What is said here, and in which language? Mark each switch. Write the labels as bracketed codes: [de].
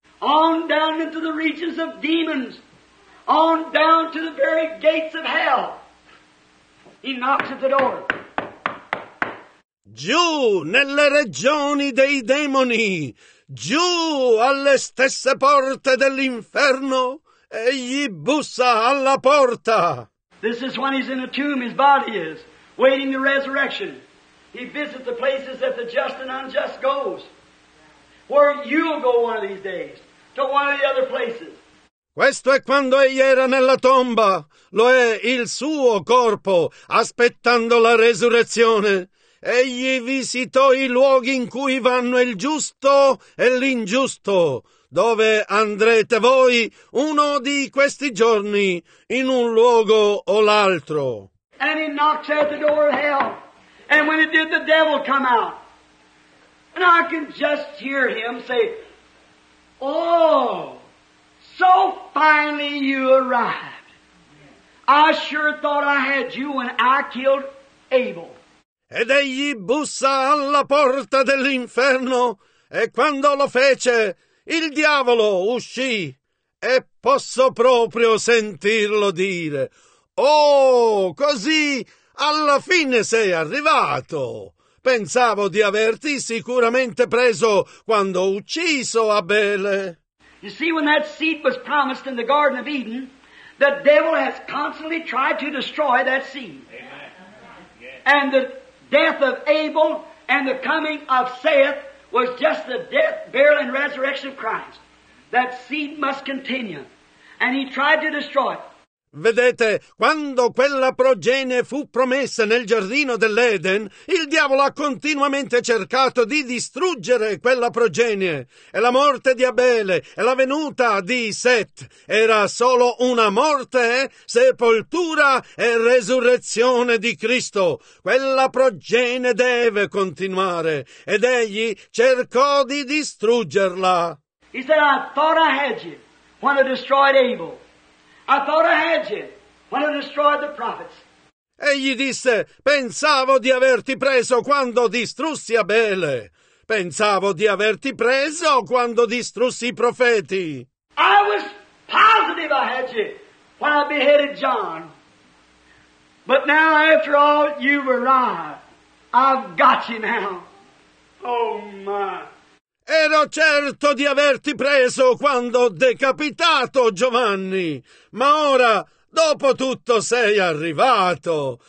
[en] On down into the regions of demons, on down to the very gates of hell. He knocks at the door. [it] Giù nelle regioni dei demoni, giù alle stesse porte dell'inferno, egli bussa alla porta. [en] This is when he's in a tomb, his body is, waiting the resurrection. He visits the places that the just and unjust goes, where you'll go one of these days, to one of the other places. [it] Questo è quando egli era nella tomba, lo è il suo corpo, aspettando la resurrezione. Egli visitò i luoghi in cui vanno il giusto e l'ingiusto, dove andrete voi uno di questi giorni in un luogo o l'altro. [en] And he knocks at the door of hell. And when he did, the devil come out. And I can just hear him say, oh, so finally you arrived. I sure thought I had you when I killed Abel. [it] Ed egli bussa alla porta dell'inferno, e quando lo fece, il diavolo uscì, e posso proprio sentirlo dire, «Oh, così alla fine sei arrivato! Pensavo di averti sicuramente preso quando ho ucciso Abele!» [en] You see, when that seed was promised in the Garden of Eden, The devil has constantly tried to destroy that seed. Amen. And the death of Abel and the coming of Seth was just the death, burial, and resurrection of Christ. That seed must continue. And he tried to destroy it. [it] Vedete, quando quella progenie fu promessa nel giardino dell'Eden, il diavolo ha continuamente cercato di distruggere quella progenie. E la morte di Abele e la venuta di Set era solo una morte, sepoltura e resurrezione di Cristo. Quella progenie deve continuare, ed egli cercò di distruggerla. [en] He said, I thought I had you when I destroyed Abel. I thought I had you when I destroyed the prophets. [it] Egli disse, pensavo di averti preso quando distrussi Abele. Pensavo di averti preso quando distrussi i profeti. [en] I was positive I had you when I beheaded John. But now after all you were right, I've got you now. Oh my. [it] Ero certo di averti preso quando ho decapitato Giovanni, ma ora, dopo tutto, sei arrivato.